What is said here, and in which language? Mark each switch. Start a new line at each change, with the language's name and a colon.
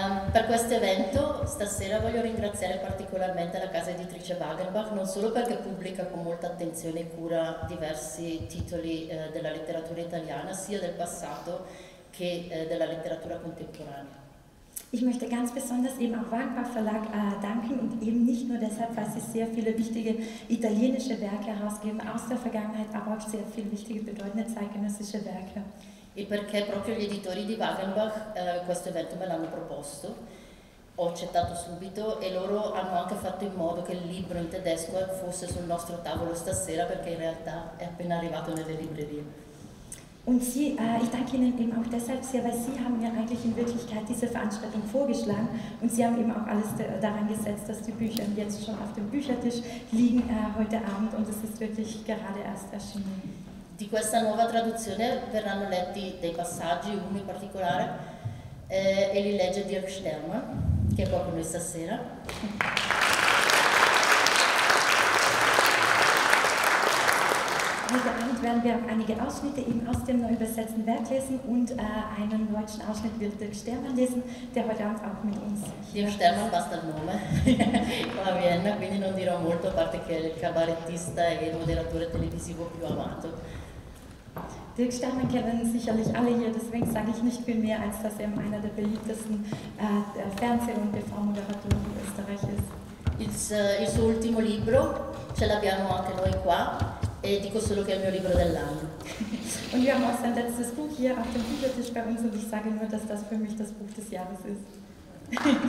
Italian: Per questo evento stasera voglio ringraziare particolarmente la casa editrice Wagenbach, non solo perché pubblica con molta attenzione e cura diversi titoli della letteratura italiana, sia del passato che della letteratura contemporanea.
German: Ich möchte ganz besonders eben auch Wagenbach Verlag danken und eben nicht nur deshalb, weil sie sehr viele wichtige italienische Werke herausgeben aus der Vergangenheit, aber auch sehr viele wichtige bedeutende zeitgenössische Werke.
Italian: E perché proprio gli editori di Wagenbach questo evento me l'hanno proposto, ho accettato subito e loro hanno anche fatto in modo che il libro in tedesco fosse sul nostro tavolo stasera perché in realtà è appena arrivato nelle librerie.
German: Und sie, ich danke Ihnen eben auch deshalb sehr, weil Sie haben mir eigentlich in Wirklichkeit diese Veranstaltung vorgeschlagen und Sie haben eben auch alles daran gesetzt, dass die Bücher jetzt schon auf dem Büchertisch liegen heute Abend und es ist wirklich gerade erst erschienen.
Italian: Di questa nuova traduzione verranno letti dei passaggi, uno in particolare, e li legge Dirk Sterman, che è qua con noi stasera.
German: Heute Abend werden wir auch einige Ausschnitte eben aus dem neu übersetzten Werk lesen und einen deutschen Ausschnitt wird Dirk Sterman lesen, der heute Abend auch mit uns.
Italian: Dirk Sterman basta il nome, qua a Vienna, quindi non dirò molto, a parte che è il cabarettista e il moderatore televisivo più amato.
German: Dirk Sterman kennen sicherlich alle hier, deswegen sage ich nicht viel mehr, als dass er einer der beliebtesten Fernseh- und TV-Moderatoren in Österreich ist.
Italian: Il suo ultimo libro ce l'abbiamo anche noi qua e dico solo che è il mio libro dell'anno.
German: Und wir haben auch sein letztes Buch hier auf dem Büchertisch bei uns und ich sage nur, dass das für mich das Buch des Jahres ist.